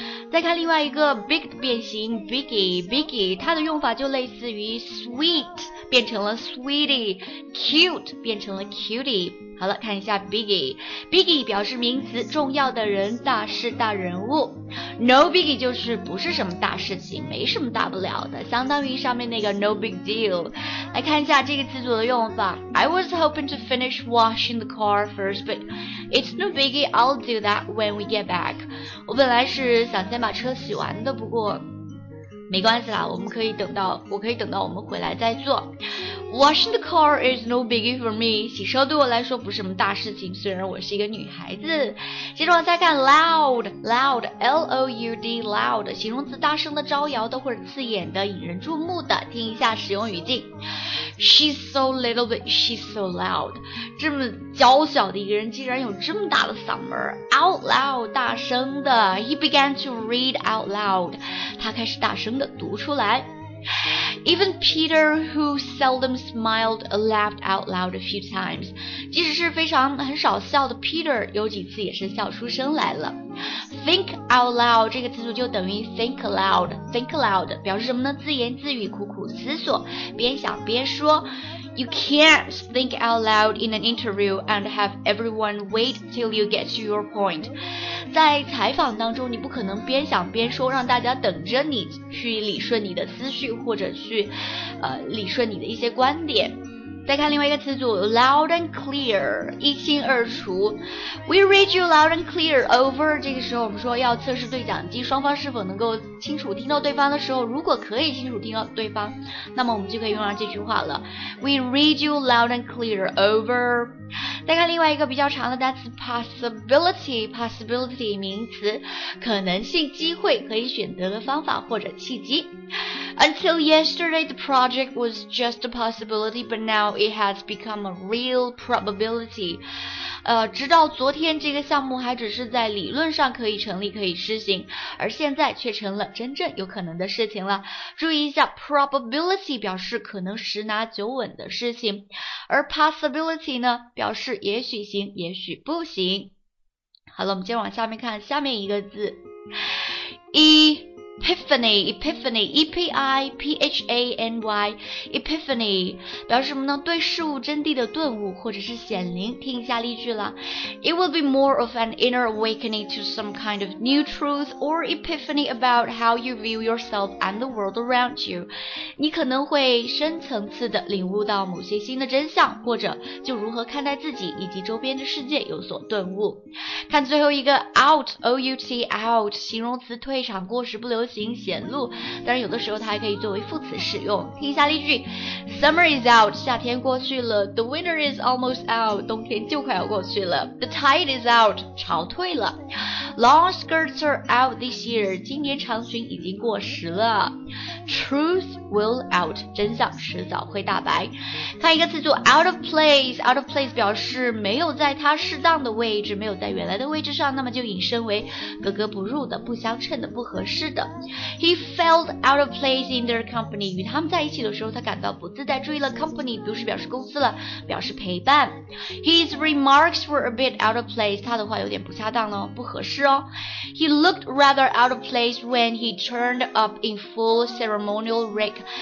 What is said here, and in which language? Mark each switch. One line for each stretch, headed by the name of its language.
Chinese: 再看另外一个 big 的变形 biggie 它的用法就类似于 sweet 变成了 sweetie cute 变成了 cutie 好了看一下 biggie 表示名词重要的人大事大人物 no biggie 就是不是什么大事情没什么大不了的相当于上面那个 no big deal 来看一下这个词组的用法
English: I was hoping to finish washing the car first butIt's no biggie, I'll do that when we get back.
Chinese: 我本来是想先把车洗完的，不过没关系啦，我可以等到我们回来再做。
English: Washing the car is no biggie for me.
Chinese: 洗车对我来说不是什么大事情，虽然我是一个女孩子。接着往下看 loud, L-O-U-D, loud, 形容词大声的、招摇的或者刺眼的、引人注目的。听一下使用语境。
English: She's so little, but she's so loud.
Chinese: 这么娇小的一个人竟然有这么大的嗓门。
English: Out loud,
Chinese: 大声的。
English: He began to read out loud.
Chinese: 他开始大声的读出来。
English: Even Peter, who seldom smiled, laughed out loud a few times.
Chinese: 即使是非常很少笑的 Peter, 有几次也是笑出声来了。 Think out loud, 这个词组就等于 think aloud. Think aloud, 表示什么呢？自言自语，苦苦思索，边想边说。
English: You can't think out loud in an interview and have everyone wait till you get to your point.
Chinese: 在采访当中，你不可能边想边说，让大家等着你去理顺你的思绪，或者去，理顺你的一些观点。再看另外一个词组 ,loud and clear, 一清二楚。
English: We read you loud and clear over,
Chinese: 这个时候我们说要测试对讲机双方是否能够清楚听到对方的时候，如果可以清楚听到对方，那么我们就可以用上这句话了。
English: We read you loud and clear over。
Chinese: 再看另外一个比较长的单词 possibility, 名词，可能性、机会、可以选择的方法或者契机。
English: Until yesterday, the project was just a possibility, but now it has become a real probability.
Chinese: 直到昨天，这个项目还只是在理论上可以成立、可以实行，而现在却成了真正有可能的事情了。注意一下 ,probability 表示可能十拿九稳的事情，而 possibility 呢，表示也许行、也许不行。好了，我们接着往下面看下面一个字。 Epiphany, E-P-I-P-H-A-N-Y, Epiphany, 表示什么呢？对事物真谛的顿悟或者是显灵。听一下例句了。
English: It will be more of an inner awakening to some kind of new truth or epiphany about how you view yourself and the world around you.
Chinese: 你可能会深层次的领悟到某些新的真相，或者就如何看待自己以及周边的世界有所顿悟。看最后一个 out, O-U-T, out, 形容词退场过时不留行显露，当然有的时候它还可以作为副词使用。听一下例句 ：
English: Summer is out，
Chinese: 夏天过去了 ；
English: The winter is almost out，
Chinese: 冬天就快要过去了 ；
English: The tide is out，
Chinese: 潮退了 ；
English: Long skirts are out this year，
Chinese: 今年长裙已经过时了 ；
English: Truth will out，
Chinese: 真相迟早会大白。看一个词组 ：out of place，out of place 表示没有在它适当的位置，没有在原来的位置上，那么就引申为格格不入的、不相称的、不合适的。
English: He felt out of place in their company.
Chinese: 与他们在一起的时候，他感到不自在。注意了 ，company 不是表示公司了，表示陪伴。
English: His remarks were a bit out of place.
Chinese: 他的话有点不恰当了，不合适哦。
English: He looked rather out of place when he turned up in full ceremonial rig.